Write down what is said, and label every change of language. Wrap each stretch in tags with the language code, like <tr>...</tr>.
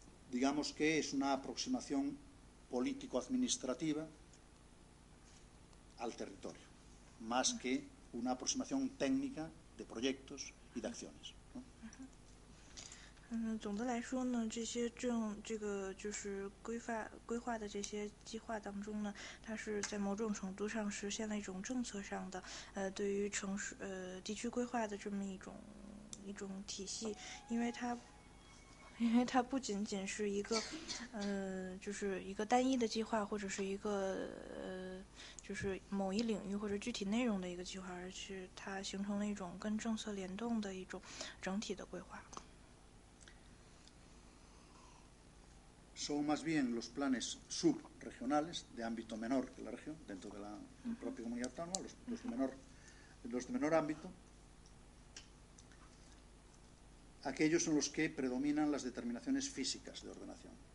<es>Digamos que es una aproximación político-administrativa al territorio, más que una aproximación técnica de proyectos y de acciones.</es> <zh>总的来说呢，这些这个就是规划的这些计划当中呢，它是在某种程度上实现了一种政策上的对于城市地区规划的这么一种体系，因为它不仅仅是一个，就是一个单一的计划，或者是一个就是某一领域或者具体内容的一个计划，而是它形成了一种跟政策联动的一种整体的规划。</zh> <es>Son más bien los planes subregionales de ámbito menor que la región dentro de la propia comunidad autónoma, los de menor ámbito. Aquellos en los que predominan las determinaciones físicas de ordenación.</es>